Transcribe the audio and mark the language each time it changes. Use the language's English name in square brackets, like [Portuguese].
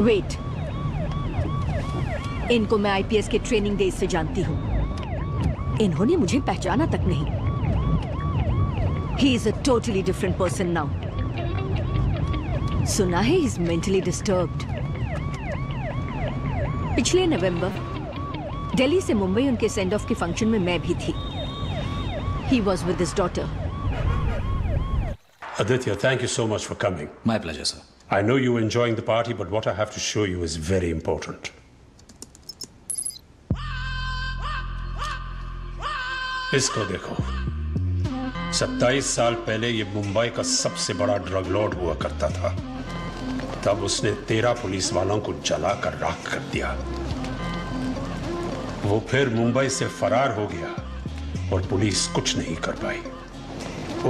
[Hindi] Wait, इनको मैं IPS के ट्रेनिंग डेज से जानती हूँ, इन्होंने मुझे पहचाना तक नहीं। [English] he is a totally different person now, [Hindi] सुना है [English] He is mentally disturbed. [Hindi] पिछले नवंबर दिल्ली से मुंबई उनके सेंड ऑफ के फंक्शन में मैं भी थी। [English] He was with his daughter. Aditya, thank you so much for coming. My pleasure, sir. I know you're enjoying the party, but what I have to show you is very important. [Hindi] इसको देखो, 27 साल पहले ये मुंबई का सबसे बड़ा drug Lord हुआ करता था। तब उसने 13 पुलिस वालों को जला कर राख कर दिया। वो फिर मुंबई से फरार हो गया और पुलिस कुछ नहीं कर पाई।